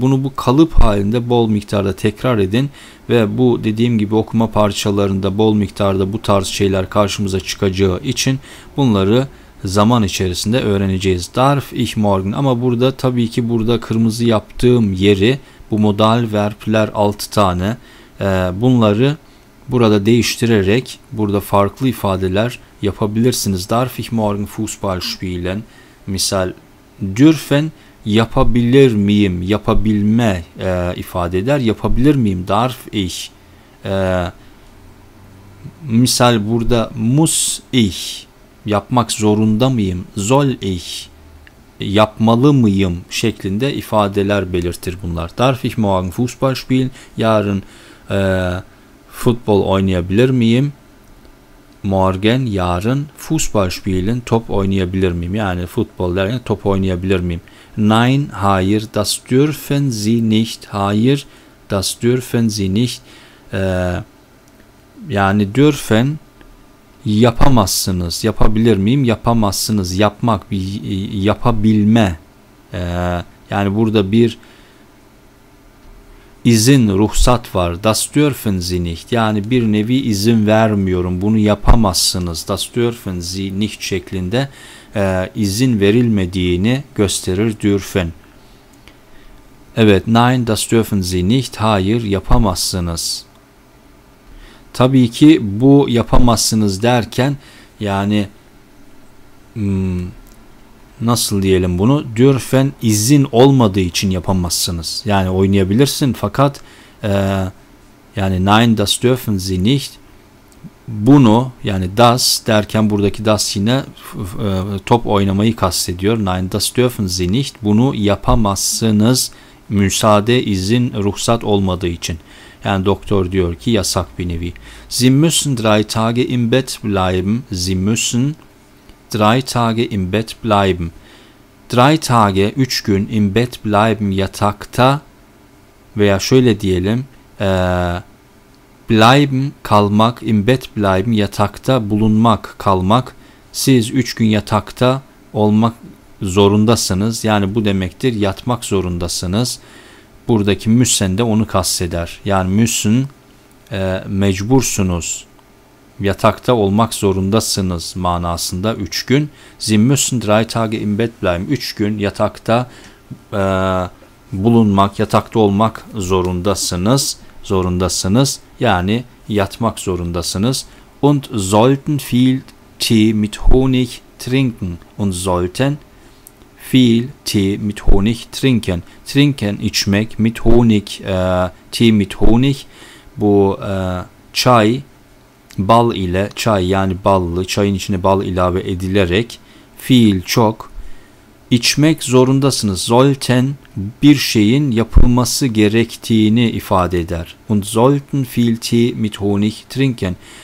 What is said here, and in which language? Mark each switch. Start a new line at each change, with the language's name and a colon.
Turkish: Bunu bu kalıp halinde bol miktarda tekrar edin ve bu dediğim gibi okuma parçalarında bol miktarda bu tarz şeyler karşımıza çıkacağı için bunları zaman içerisinde öğreneceğiz.
German: Darf ich morgen?
Turkish: Ama burada tabii ki burada kırmızı yaptığım yeri bu modal verbler 6 tane. Bunları burada değiştirerek burada farklı ifadeler yapabilirsiniz.
German: Darf ich morgen Fußball spielen?
Turkish: Misal dürfen yapabilir miyim? Yapabilme ifade eder. Yapabilir miyim? Darf ich. Misal burada muss ich. Yapmak zorunda mıyım? Soll ich. Yapmalı mıyım? Şeklinde ifadeler belirtir bunlar.
German: Darf ich morgen Fußball spielen?
Turkish: Yarın futbol oynayabilir miyim? Morgen yarın
German: Fußball spielen
Turkish: top oynayabilir miyim? Yani futbol derken top oynayabilir miyim?
German: Nein, hayır, das dürfen Sie nicht. Hayır, das dürfen Sie nicht.
Turkish: Yani dürfen yapamazsınız. Yapabilir miyim? Yapamazsınız. Yapmak bir yapabilme. Yani burada bir İzin, ruhsat var.
German: Das dürfen Sie nicht.
Turkish: Yani bir nevi izin vermiyorum. Bunu yapamazsınız.
German: Das dürfen Sie nicht
Turkish: şeklinde izin verilmediğini gösterir. Dürfen. Evet.
German: Nein, das dürfen Sie nicht.
Turkish: Hayır, yapamazsınız. Tabii ki bu yapamazsınız derken yani nasıl diyelim bunu? Dürfen izin olmadığı için yapamazsınız. Yani oynayabilirsin fakat yani
German: nein das dürfen Sie nicht.
Turkish: Bunu yani das derken buradaki das yine top oynamayı kastediyor.
German: Nein das dürfen Sie nicht.
Turkish: Bunu yapamazsınız. Müsaade, izin, ruhsat olmadığı için. Yani doktor diyor ki yasak bir nevi.
German: Sie müssen 3 Tage im Bett bleiben. Sie müssen drei Tage im Bett bleiben.
Turkish: Drei Tage, üç gün
German: im Bett bleiben
Turkish: yatakta veya şöyle diyelim, bleiben, kalmak, im Bett bleiben, yatakta bulunmak, kalmak. Siz üç gün yatakta olmak zorundasınız. Yani bu demektir, yatmak zorundasınız. Buradaki müssen de onu kasteder. Yani müssen, mecbursunuz. Yatakta olmak zorundasınız manasında üç gün.
German: Sie müssen drei Tage im Bett bleiben.
Turkish: Üç gün yatakta bulunmak, yatakta olmak zorundasınız. Zorundasınız. Yani yatmak zorundasınız.
German: Und sollten viel Tee mit Honig trinken. Und sollten viel Tee mit Honig trinken. Trinken içmek mit Honig. Tee mit Honig. Bu çay.
Turkish: Bal ile çay, yani ballı, çayın içine bal ilave edilerek fiil çok, içmek zorundasınız. Sollten bir şeyin yapılması gerektiğini ifade eder.
German: Und sollten viel Tee mit Honig trinken.